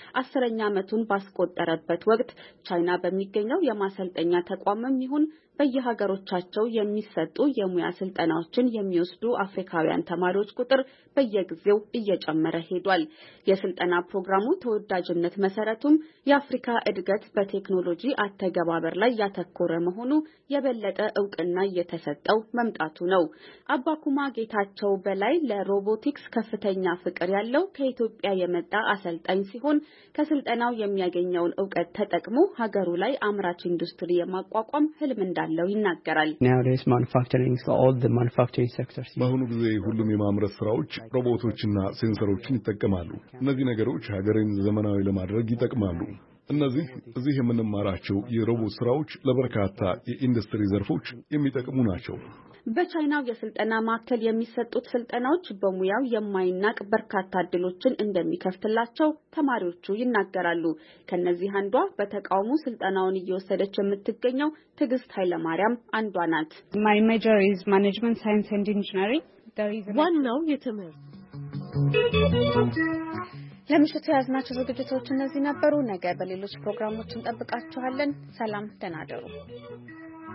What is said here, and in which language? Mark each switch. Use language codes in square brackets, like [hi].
[am] 10ኛ ዓመቱን ባስቆጠረበት ወቅት ቻይና በሚገኘው የማሰልጠኛ ተቋምም ይሁን በየሀገሮቻቸው የሚሰጡ የሙያ ስልጠናዎችን የሚወስዱ አፍሪካውያን ተማሪዎች ቁጥር በየጊዜው እየጨመረ ሄዷል። የስልጠና ፕሮግራሙ ተወዳጅነት መሰረቱም የአፍሪካ እድገት በቴክኖሎጂ አተገባበር ላይ ያተኮረ መሆኑ የበለጠ እውቅና እየተሰጠው መምጣቱ ነው። አባኩማ ጌታቸው በላይ ለሮቦቲክስ ከፍተኛ ፍቅር ያለው ከኢትዮጵያ የመጣ አሰልጣኝ ሲሆን ከስልጠናው የሚያገኘውን እውቀት ተጠቅሞ ሀገሩ ላይ አምራች ኢንዱስትሪ የማቋቋም ህልም እንዳለው ይናገራል። [en] Nowadays manufacturing is all the manufacturing sectors. [am] በአሁኑ ጊዜ ሁሉም የማምረት ስራዎች ሮቦቶችና ሴንሰሮችን ይጠቀማሉ። እነዚህ ነገሮች ሀገርን ዘመናዊ ለማድረግ ይጠቅማሉ። እነዚህ እዚህ የምንማራቸው የሮቦት ስራዎች ለበርካታ የኢንዱስትሪ ዘርፎች የሚጠቅሙ ናቸው። በቻይናው የስልጠና ማዕከል የሚሰጡት ስልጠናዎች በሙያው የማይናቅ በርካታ ድሎችን እንደሚከፍትላቸው ተማሪዎቹ ይናገራሉ። ከነዚህ አንዷ በተቃውሞ ስልጠናውን እየወሰደች የምትገኘው ትግስት ኃይለ ማርያም አንዷ ናት። [en] My major is Management Science and Engineering. There is one now [am] የተመረ ለምሽቱ ያዝናችሁ ዝግጅቶች እነዚህ ነበሩ። ነገ በሌሎች ፕሮግራሞች እንጠብቃችኋለን። ሰላም ተናደሩ።